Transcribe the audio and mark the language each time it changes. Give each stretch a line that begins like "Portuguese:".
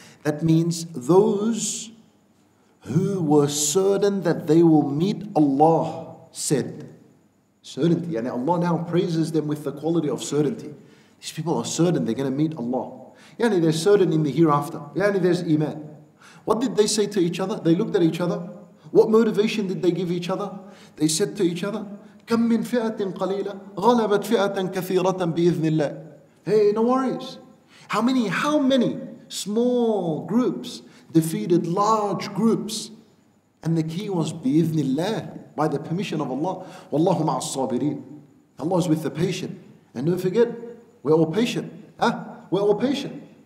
English: That means those who were certain that they will meet Allah said. Certainty. And Allah now praises them with the quality of certainty. These people are certain they're going to meet Allah. Yani they're certain in the hereafter. Yani there's iman. What did they say to each other? They looked at each other. What motivation did they give each other? They said to each other,
Arabic: كَمْ مِنْ فِئَةٍ قَلِيلًا غَلَبَتْ فِئَةً كَثِيرَةً بِإِذْنِ اللَّهِ.
English: Hey, no worries. How many small groups defeated large groups? And the key was
Arabic: بِإِذْنِ اللَّهِ,
English: by the permission of Allah.
Arabic: وَاللَّهُ مَعَ الصَّابِرِينَ.
English: Allah is with the patient. And don't forget, we're all patient. Huh? We're all patient.